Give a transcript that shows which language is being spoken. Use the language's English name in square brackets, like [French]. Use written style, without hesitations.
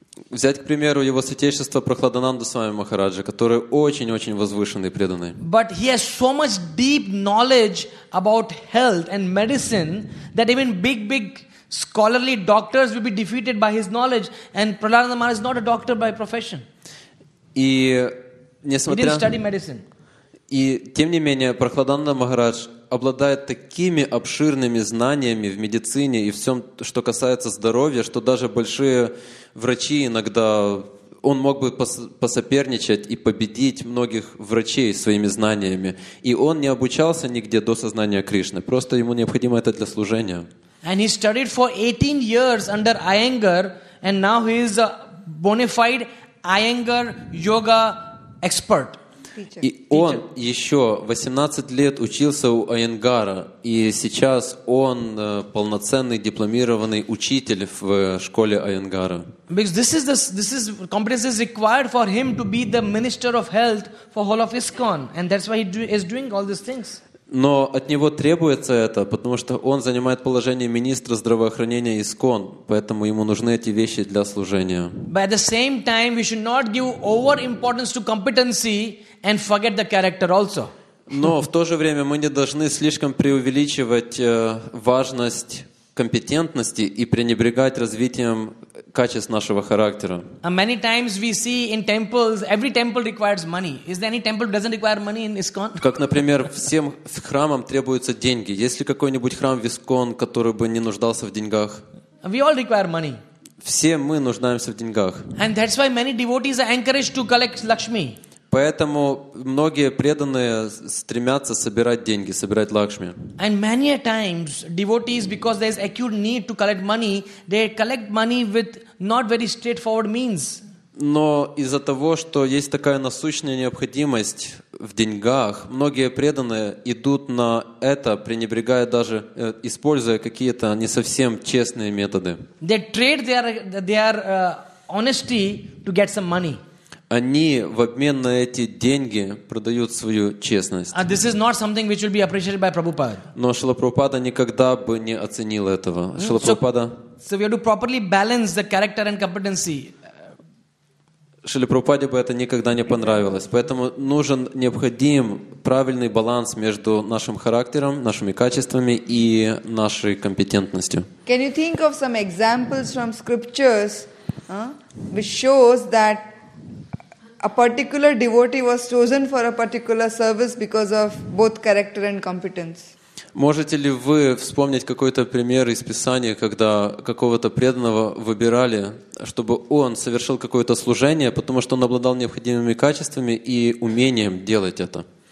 [Russian] Взять, к примеру, его святейшество Прахладананду с вами Махараджа, который очень-очень возвышенный и преданный. [English] But he has so much deep knowledge about health and medicine that even big scholarly doctors will be defeated by his knowledge. And Prahladananda Maharaj is not a doctor by profession. [Russian] И несмотря... [English] He didn't study medicine. [Russian] И тем не менее, Прахладананда Махарадж обладает такими обширными знаниями в медицине и всем, что касается здоровья, что даже большие врачи иногда, он мог бы посоперничать и победить многих врачей своими знаниями. И он не обучался нигде до сознания Кришны. Просто ему необходимо это для служения. [English] And he studied for 18 years under Iyengar, and now he is a bona fide Iyengar yoga expert. [Russian] И он еще 18 лет учился у Айенгара, и сейчас он полноценный дипломированный учитель в школе Айенгара. [English] Because this is competence is required for him to be the minister of health for whole of ISKCON, and that's why he is doing all these things. [Russian] Но от него требуется это, потому что он занимает положение министра здравоохранения ИСКОН, поэтому ему нужны эти вещи для служения. [English] But at the same time, we should not give over importance to competency and forget the character also. [Russian] Но в то же время мы не должны слишком преувеличивать важность компетентности и пренебрегать развитием качеств нашего характера. [English] And many times we see in temples, every temple requires money. Is there any temple doesn't require money in ISKCON? [Russian] Как, например, всем храмам требуются деньги. Есть ли какой-нибудь храм в ИСКОН, который бы не нуждался в деньгах? [English] We all require money. [Russian] Все мы нуждаемся в деньгах. [English] And that's why many devotees are encouraged to collect Lakshmi. [Russian] Поэтому многие преданные стремятся собирать деньги, собирать лакшми. [English] And many a times devotees, because there is acute need to collect money, they collect money with not very straightforward means. [Russian] Но из-за того, что есть такая насущная необходимость в деньгах, многие преданные идут на это, пренебрегая даже, используя какие-то не совсем честные методы. [English] They trade their honesty to get some money. [Russian] Они в обмен на эти деньги продают свою честность. [English] And this is not something which will be appreciated by Prabhupada. [Russian] Но Шрила Прабхупада никогда бы не оценил этого. Шрила Прабхупада. [English] So we have to properly balance the character and competency. [Russian] Шриле Прабхупаде бы это никогда не понравилось. Поэтому нужен необходим правильный баланс между нашим характером, нашими качествами и нашей компетентностью. [English] Can you think of some examples from scriptures, which shows that a particular devotee was chosen for a particular service because of both character and competence? [Russian] Можете ли вы вспомнить какой-то пример из Писания, когда какого-то преданного выбирали, чтобы он совершил какое-то служение, потому что он обладал необходимыми качествами и умением делать это?